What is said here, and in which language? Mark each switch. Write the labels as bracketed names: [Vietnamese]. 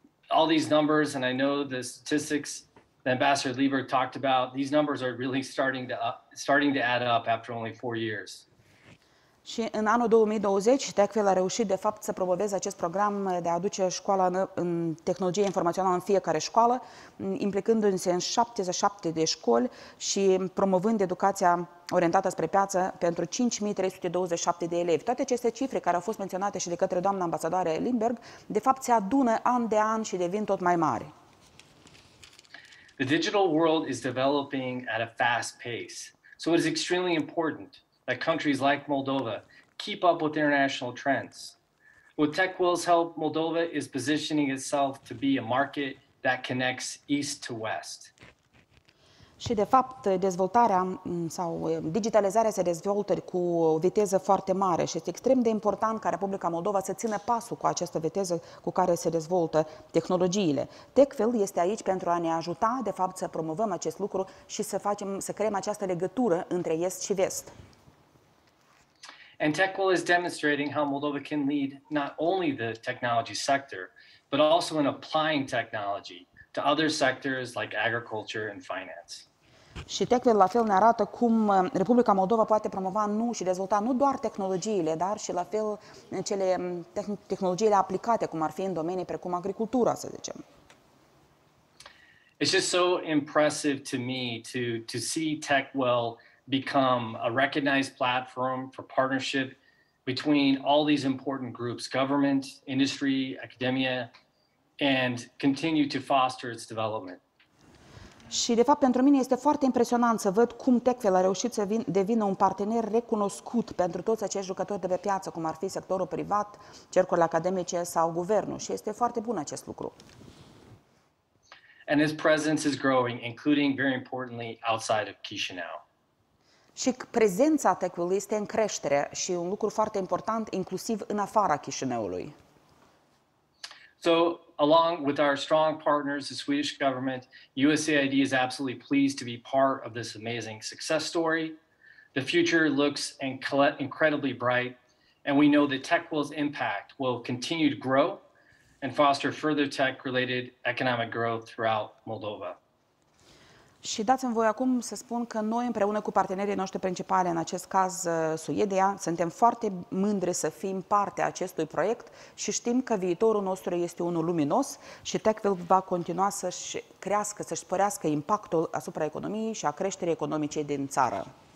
[English] All these numbers, and I know the statistics that Ambassador Lieber talked about, these numbers are really starting to add up after only 4 years. [Romanian] Și în anul 2020, TechWell a reușit de fapt să promoveze acest program de a aduce școala în tehnologie informațională în fiecare școală, implicându-se în 77 de școli și promovând educația orientată spre piață pentru 5.327 de elevi. Toate aceste cifre care au fost menționate și de către doamna ambasadoare Lindberg, de fapt se adună an de an și devin tot mai mari. [English] The digital world is developing at a fast pace, so it is extremely important that countries like Moldova keep up with international trends. With TechWell's help, Moldova is positioning itself to be a market that connects east to west. [Romanian] Și de fapt, dezvoltarea sau digitalizarea se dezvoltă cu o viteză foarte mare și este extrem de important ca Republica Moldova să țină pasul cu această viteză cu care se dezvoltă tehnologiile. TechWell este aici pentru a ne ajuta, de fapt, să promovăm acest lucru și să creăm această legătură între est și vest. [English] And TechWell is demonstrating how Moldova can lead not only the technology sector, but also in applying technology to other sectors like agriculture and finance. [Romanian] Și TechWell la fel ne arată cum Republica Moldova poate promova nu și dezvolta nu doar tehnologiile, dar și la fel cele tehnologiile aplicate, cum ar fi în domenii precum agricultura, să zicem. [English] It's just so impressive to me to see TechWell become a recognized platform for partnership between all these important groups, government, industry, academia, and continue to foster its development. [Romanian] Și de fapt pentru mine este foarte impresionant să văd cum TechWell a reușit să devină un partener recunoscut pentru toți acești jucători de pe piață, cum ar fi sectorul privat, cercurile academice sau guvernul. Și este foarte bun acest lucru. [English] And its presence is growing, including very importantly outside of Chișinău. [Romanian] Și prezența TechWell este în creștere și un lucru foarte important, inclusiv în afara Chișinăului. [English] So, along with our strong partners, the Swedish government, USAID is absolutely pleased to be part of this amazing success story. The future looks incredibly bright, and we know that TechWell's impact will continue to grow and foster further tech-related economic growth throughout Moldova. [Romanian] Și dați-mi voi acum să spun că noi, împreună cu partenerii noștri principali, în acest caz Suedia, suntem foarte mândri să fim parte a acestui proiect și știm că viitorul nostru este unul luminos și TechWell va continua să-și crească, să-și sporească impactul asupra economiei și a creșterii economice din țară.